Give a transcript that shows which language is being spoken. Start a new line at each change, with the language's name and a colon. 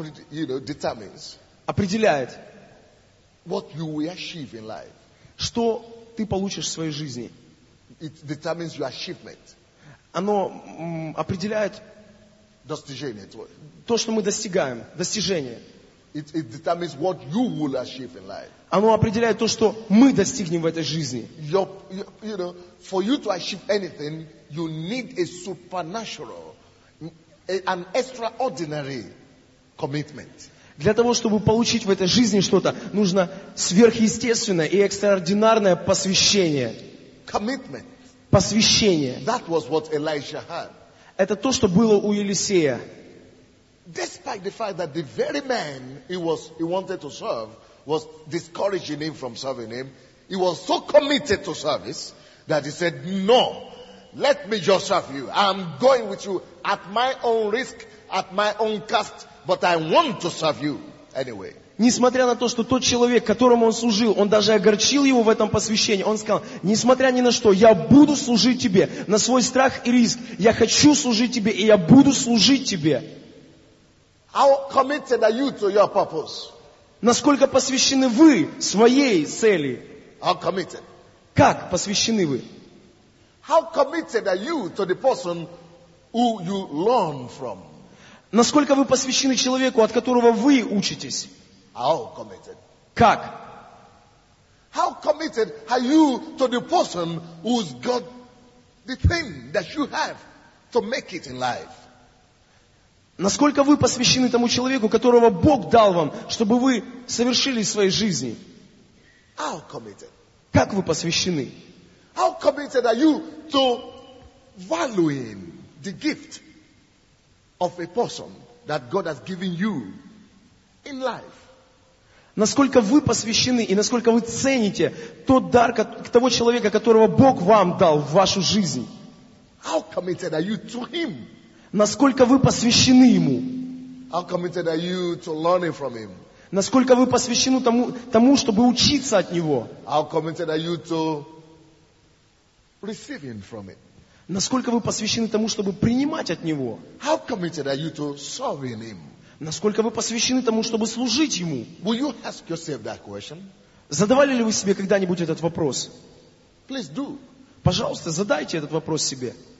English: You know, determines.
Russian: Определяет.
English: What you will achieve in life.
Russian: Что ты получишь в своей жизни.
English: It determines your achievement.
Russian: Оно определяет достижение твое. То, что мы достигаем, достижение.
English: It determines what you will achieve in life.
Russian: Оно определяет то, что мы достигнем в этой жизни.
English: You know, for you to achieve anything, you need a supernatural, an extraordinary commitment.
Russian: Для того, чтобы получить в этой жизни что-то, нужно сверхъестественное и экстраординарное посвящение.
English: Commitment.
Russian: Посвящение.
English: That was what Elijah had.
Russian: Это то, что было у Елисея.
English: Despite the fact that the very man he wanted to serve was discouraging him from serving him, he was so committed to service that he said, no, let me just serve you. I'm going with you at my own risk, at my own cost, but I want to serve you anyway.
Russian: Несмотря на то, что тот человек, которому он служил, он даже огорчил его в этом посвящении. Он сказал, несмотря ни на что, я буду служить тебе на свой страх и риск. Я хочу служить тебе, и я буду служить тебе.
English: How committed are you to your purpose?
Russian: Насколько посвящены вы своей цели?
English: How committed?
Russian: Как посвящены вы?
English: How committed are you to the person who you learn from?
Russian: Насколько вы посвящены человеку, от которого вы учитесь?
English: How committed?
Russian: Как?
English: How committed are you to the person who's got the thing that you have to make it in life?
Russian: Насколько вы посвящены тому человеку, которого Бог дал вам, чтобы вы совершили в своей жизни?
English: How committed?
Russian: Как вы посвящены?
English: How committed are you to valuing the gift of a person that God has given you in life?
Russian: Насколько вы посвящены и насколько вы цените тот дар того человека, которого Бог вам дал в вашу жизнь?
English: How committed are you to him?
Russian: Насколько вы посвящены ему?
English: How committed are you to learning from him?
Russian: Насколько вы посвящены тому, чтобы учиться от него?
English: How committed are you to receiving from him?
Russian: Насколько вы посвящены тому, чтобы принимать от него?
English: How committed are you to serving him?
Russian: Насколько вы посвящены тому, чтобы служить Ему?
English: Will you ask yourself that question?
Russian: Задавали ли вы себе когда-нибудь этот вопрос?
English: Please do.
Russian: Пожалуйста, задайте этот вопрос себе.